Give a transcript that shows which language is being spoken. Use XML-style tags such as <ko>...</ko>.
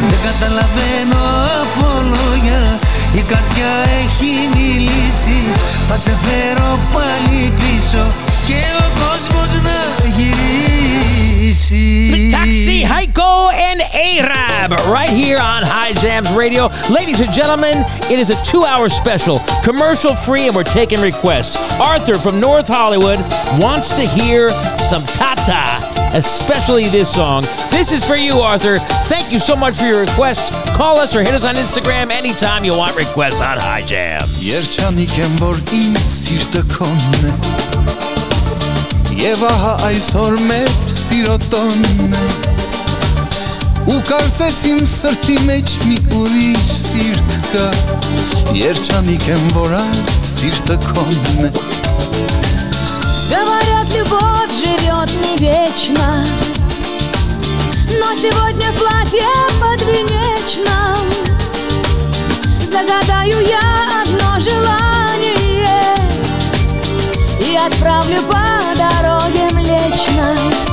<hy>Դե</hy> <el>καταλαβαίνω από λόγια. Η καρδιά έχει μιλήσει. Θα σε φέρω πάλι πίσω και ο κόσμος να γυρίσει.</el> <en>Taxi, Heiko and A-Rab right here on High Jams Radio. Ladies and gentlemen, it is a two-hour special, commercial-free, and we're taking requests. Arthur from North Hollywood wants to hear some Tata, especially this song. This is for you, Arthur. Thank you so much for your request. Call us or hit us on Instagram anytime you want requests on High Jams.</en> <hy>Երջանիկ եմ, որ ինձ սիրտը քոնն է, և ահա այսօր մեր սիրոտոնն է. Ու կարծես իմ սրտի մեջ մի ուրիշ սիրտ կա. Երջանիկ եմ, որ այդ սիրտը քոնն է.</hy> <ru>Говорят, любовь живет не вечно, но сегодня платье подвенечном. Загадаю я одно желание и отправлю по дороге млечной.</ru>